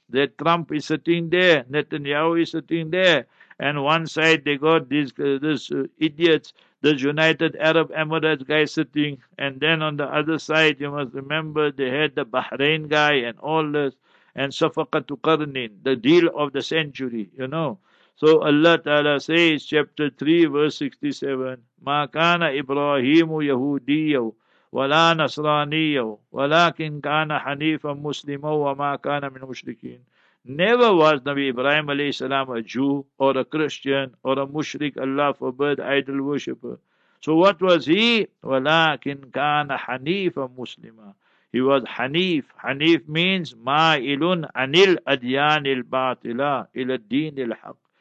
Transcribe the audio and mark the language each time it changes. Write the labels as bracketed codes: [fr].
[en] That Trump is sitting there, Netanyahu is sitting there. And one side they got these idiots, this United Arab Emirates guy sitting. And then on the other side, you must remember, they had the Bahrain guy and all this. And Safaqatu Qarnin, the deal of the century, you know. So Allah Ta'ala says, chapter 3, verse 67, [ar] مَا كَانَ إِبْرَاهِيمُ يَهُودِيَّوْ وَلَا نَصْرَانِيَّوْ وَلَاكِنْ كَانَ حَنِيفًا مُسْلِمًا وَمَا كَانَ مِنْ مُشْرِكِينَ. [en] Never was Nabi Ibrahim alayhi salam a Jew or a Christian or a mushrik, Allah forbid, idol worshipper. So what was he? [ar] وَلَاكِنْ كَانَ حَنِيفًا مُسْلِمًا. [en] He was Hanif. Hanif means [ar] ma'ilun anil adyanil batila ila dinil haq.